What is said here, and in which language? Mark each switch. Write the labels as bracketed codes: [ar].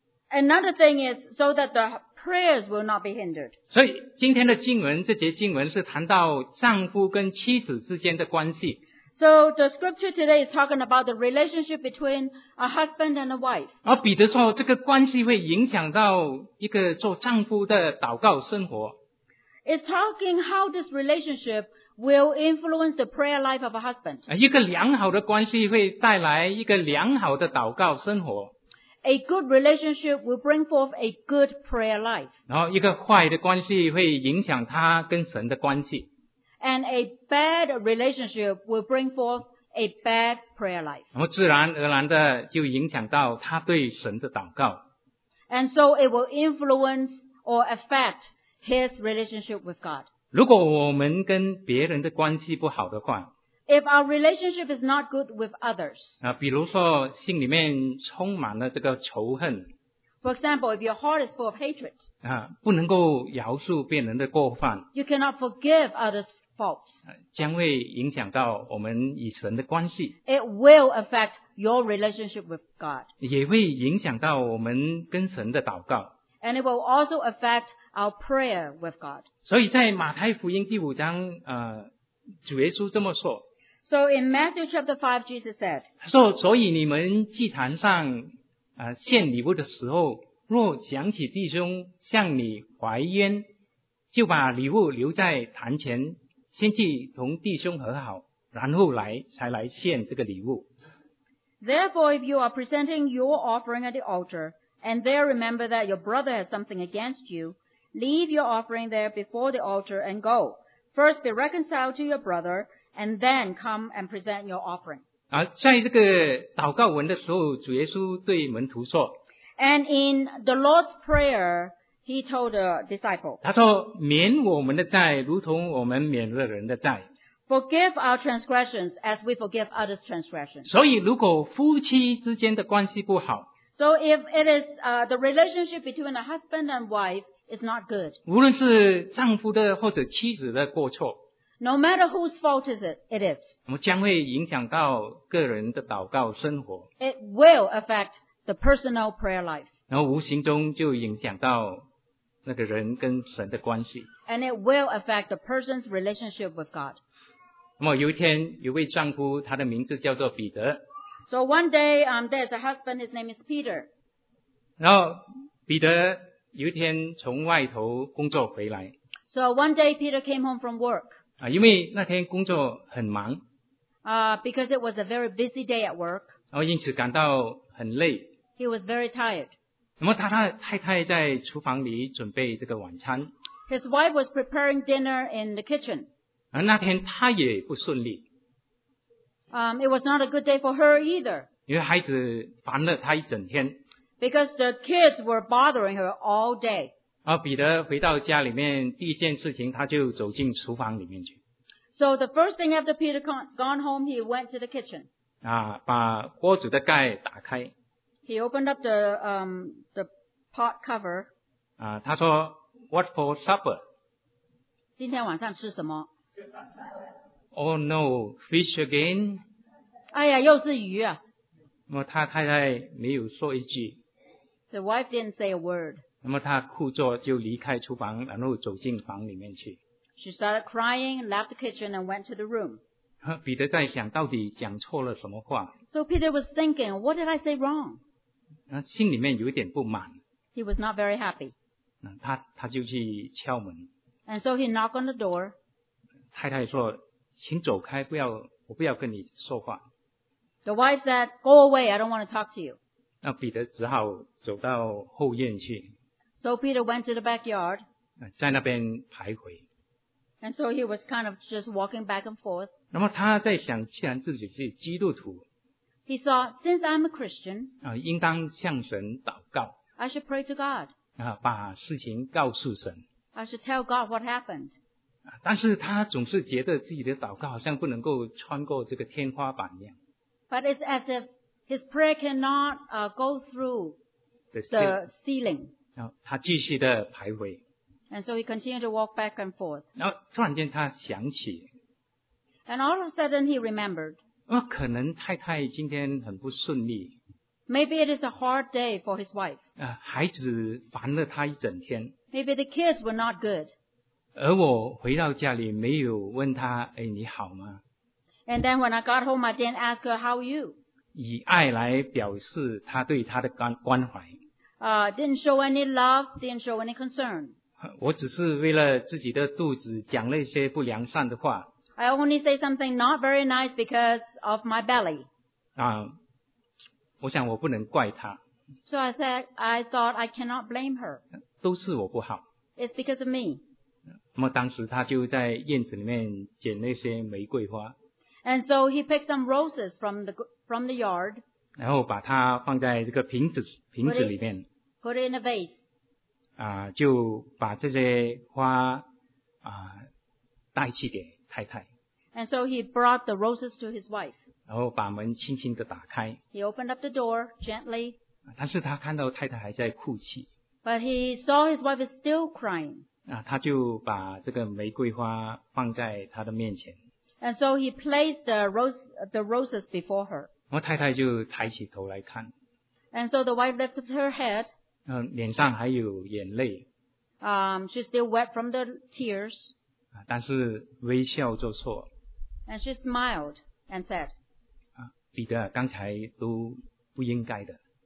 [en] Another thing is so that the prayers will not be hindered. [zh] 所以今天的经文，这节经文是谈到丈夫跟妻子之间的关系。 [en] So the scripture today is talking about the relationship between a husband and a wife. [zh] 而彼得说，这个关系会影响到一个做丈夫的祷告生活。 [en] It's talking how this relationship will influence the prayer life of a husband. [zh] 一个良好的关系会带来一个良好的祷告生活。 [en] A good relationship will bring forth a good prayer life. [zh] 然后一个坏的关系会影响他跟神的关系。 [en] And a bad relationship will bring forth a bad prayer life. [zh] 然后自然而然的就影响到他对神的祷告。 [en] And so it will influence or affect his relationship with God. [zh] 如果我们跟别人的关系不好的话， [en] If our relationship is not good with others, [zh] 比如说心里面充满了这个仇恨。 [en] For example, if your heart is full of hatred, [zh] 不能够饶恕别人的过犯。 [en] You cannot forgive others' faults. [zh] 将会影响到我们与神的关系。 [en] It will affect your relationship with God. [zh] 也会影响到我们跟神的祷告。 [en] And it will also affect our prayer with God. [zh] 所以在马太福音第五章主耶稣这么说。 [en] So in Matthew chapter 5, Jesus said, [zh] 他说所以你们祭坛上献礼物的时候若想起弟兄向你怀冤就把礼物留在坛前先去同弟兄和好然后来才来献这个礼物。 [en] Therefore, if you are presenting your offering at the altar, and there remember that your brother has something against you, leave your offering there before the altar and go. First be reconciled to your brother, and then come and present your offering. [zh] 在这个祷告文的时候，主耶稣对门徒说。 [en] And in the Lord's Prayer, he told the disciple. [zh] 他说，免我们的债，如同我们免了人的债。 [en] Forgive our transgressions as we forgive others' transgressions. [zh] 所以如果夫妻之间的关系不好。 [en] So if it is, the relationship between a husband and wife,It's not good. [zh] 无论是丈夫的或者妻子的过错 [en] No matter whose fault is it, it is. [zh] 将会影响到个人的祷告生活 [en] It will affect the personal prayer life. [zh] 然后无形中就影响到那个人跟神的关系 [en] And it will affect the person's relationship with God. [zh] 那么有一天有位丈夫他的名字叫做彼得 [en] So one day, there's a husband, his name is Peter. [zh] 然后彼得有一天从外头工作回来。 [en] So one day Peter came home from work. [zh] 因为那天工作很忙。 [en] Because it was a very busy day at work. [zh] 然后因此感到很累。 [en] He was very tired. [zh] 那么他的太太在厨房里准备这个晚餐。 [en] His wife was preparing dinner in the kitchen. [zh] 而那天他也不顺利。 [en] It was not a good day for her either. [zh] 因为孩子烦了他一整天。 [en] Because the kids were bothering her all day. [zh] 彼得回到家里面第一件事情他就走进厨房里面去。 [en] So the first thing after Peter gone home, he went to the kitchen. [zh] 把锅子的盖打开。 [en] He opened up the pot cover. [zh] 他说 [en] ,What for supper? [zh] 今天晚上吃什么 [en] ?Oh no, fish again? [zh] 哎呀又是鱼啊。那么他太太没有说一句。 [en] The wife didn't say a word. [zh] 那么他哭着就离开厨房然后走进房里面去。 [en] She started crying, left the kitchen and went to the room. [zh] 彼得在想到底讲错了什么话。 [en] So Peter was thinking, what did I say wrong? [zh] 心里面有点不满。 [en] He was not very happy. [zh] 他就去敲门。 [en] And so he knocked on the door. [zh] 太太说请走开不要我不要跟你说话。 [en] The wife said, go away, I don't want to talk to you. [zh] 那彼得只好走到后院去。 [en] So Peter went to the backyard. [zh] 在那边徘徊。 [en] And so he was kind of just walking back and forth. [zh] 那么他在想既然自己是基督徒。 [en] He thought, since I'm a Christian. [zh] 应当向神祷告。 [en] I should pray to God. [zh] 把事情告诉神。 [en] I should tell God what happened. [zh] 但是他总是觉得自己的祷告好像不能够穿过这个天花板一样。 [en] But it's as if his prayer cannot go through the ceiling. [zh] 他继续的徘徊。 [en] And so he continued to walk back and forth. [zh] 然后突然间他想起。 [en] And all of a sudden he remembered. [zh] 那可能太太今天很不顺利。 [en] Maybe it is a hard day for his wife. [zh] 孩子烦了他一整天。 [en] Maybe the kids were not good. [zh] 而我回到家里没有问他，哎，你好吗？ [en] And then when I got home, I didn't ask her how are you. [zh] 以爱来表示他对他的关怀。 [en] Didn't show any love, didn't show any concern. [zh] 我只是为了自己的肚子讲了一些不良善的话。 [en] I only say something not very nice because of my belly. [zh] 我想我不能怪她。 [en] So I thought I cannot blame her. [zh] 都是我不好。 [en] It's because of me. [zh] 那么当时她就在院子里面捡那些玫瑰花。 [en] And so he picked some roses from the yard. [zh] 然后把它放在这个瓶子里面。 [en] Put it in a vase. [zh] 就把这些花带去给。太太。 [en] And so he brought the roses to his wife. [zh] 然后把门轻轻地打开。 [en] He opened up the door gently. [zh] 但是他看到太太还在哭泣。 [en] But he saw his wife is still crying. [zh] 他就把这个玫瑰花放在他的面前。 [en] And so he placed the roses before her. [zh] 然后太太就抬起头来看。 [en] And so the wife lifted her head. [zh] 脸上还有眼泪。 [en] She's still wet from the tears. [zh] 但是微笑做错。 [en] And she smiled and said, [zh] 彼得刚才都不应该的。